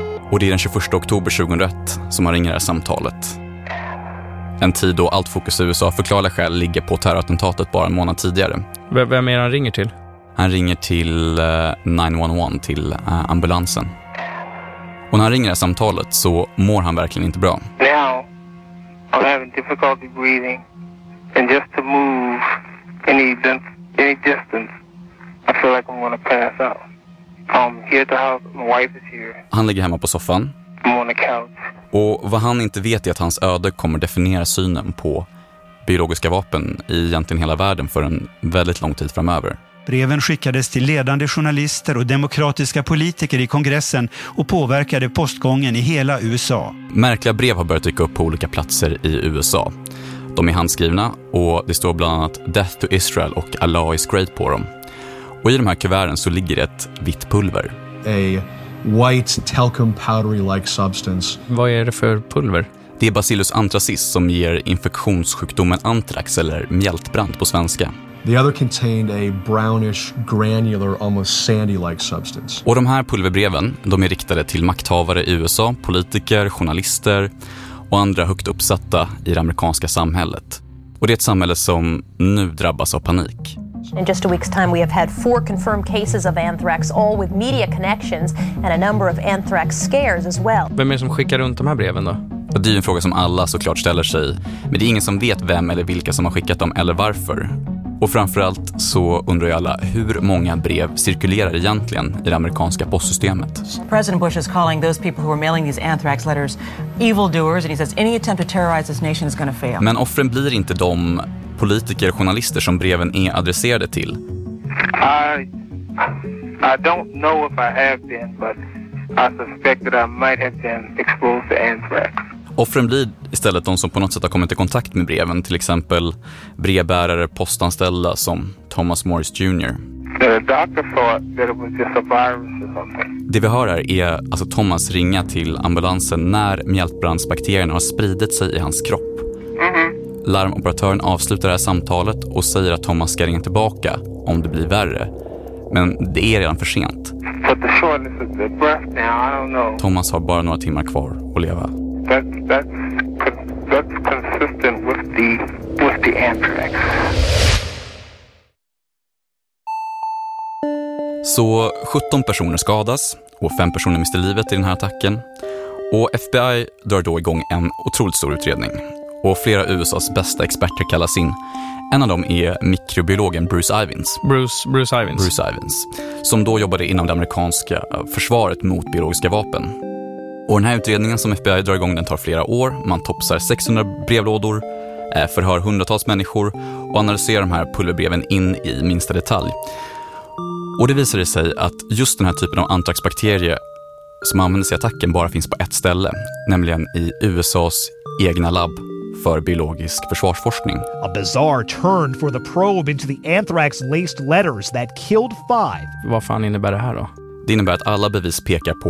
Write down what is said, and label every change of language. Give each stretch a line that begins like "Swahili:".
Swedish: Och det är den 21 oktober 2001 som han ringer det här samtalet. En tid då allt fokus i USA förklarliga skäl ligger på terrorattentatet bara en månad tidigare. Vem är han ringer till? Han ringer till 911, till ambulansen. Och när han ringer det samtalet så mår han verkligen inte bra.
English: Now, I'm having difficulty breathing. And just to move any distance, I feel like I'm gonna pass out. I'm here at the house, my wife is here.
Swedish: Han ligger hemma på soffan.
English: I'm on the couch.
Swedish: Och vad han inte vet är att hans öde kommer definiera synen på biologiska vapen i egentligen hela världen för en väldigt lång tid framöver. Breven skickades till ledande journalister och demokratiska politiker i kongressen och påverkade postgången i hela USA. Märkliga brev har börjat dyka upp på olika platser i USA. De är handskrivna och det står bland annat
English: Death to Israel
Swedish: och
English: Allah is great
Swedish: på dem. Och i de här kuverten så ligger ett vitt pulver.
English: A white talcum powdery like substance.
Swedish: Vad är det för pulver? Det är Bacillus anthracis som ger infektionssjukdomen anthrax, eller mjältbrand på svenska.
English: The other contained a brownish, granular, almost sandy-like substance.
Swedish: Och de här pulverbreven, de är riktade till makthavare i USA, politiker, journalister och andra högt uppsatta i det amerikanska samhället. Och det är ett samhälle som nu drabbas av panik.
English: In just a week's time we have had four confirmed cases of anthrax, all with media connections and a number of anthrax scares as well.
Swedish: Vem är det som skickar runt de här breven då? Det är ju en fråga som alla såklart ställer sig, men det är ingen som vet vem eller vilka som har skickat dem eller varför. Och framförallt så undrar ju alla hur många brev cirkulerar egentligen i det amerikanska postsystemet.
English: President Bush is calling those people who are mailing these anthrax letters evil doers and he says any attempt to terrorize this nation is going to fail.
Swedish: Men offren blir inte de politiker och journalister som breven är adresserade till.
English: I don't know if I have been, but I suspect that I might have been exposed to anthrax.
Swedish: Offren blir istället de som på något sätt har kommit i kontakt med breven, till exempel brevbärare, postanställda som Thomas Morris Jr.
English: The doctor thought that it was just a virus or something.
Swedish: Det vi hör här är alltså Thomas ringa till ambulansen när mjältbrandsbakterierna har spridit sig i hans kropp. Larmoperatören avslutar det här samtalet och säger att Thomas ska ringa tillbaka om det blir värre. Men det är redan för sent.
English: But the shortness of the breath now, I don't know.
Swedish: Thomas har bara några timmar kvar att leva.
English: That's consistent with the anthrax.
Swedish: Så 17 personer skadas och 5 personer mister livet i den här attacken. Och FBI drar då igång en otroligt stor utredning. Och flera USAs bästa experter kallas in. En av dem är mikrobiologen Bruce Ivins. Bruce Ivins. Som då jobbade inom det amerikanska försvaret mot biologiska vapen. Och den här utredningen som FBI drar igång, den tar flera år. Man topsar 600 brevlådor, förhör hundratals människor och analyserar de här pulverbreven in i minsta detalj. Och det visar sig att just den här typen av antraxbakterier som används i attacken bara finns på ett ställe. Nämligen i USAs egna labb för biologisk försvarsforskning.
English: A bizarre turn for the probe into the anthrax-laced letters that killed 5.
Swedish: Vad fan innebär det här då? Det innebär att alla bevis pekar på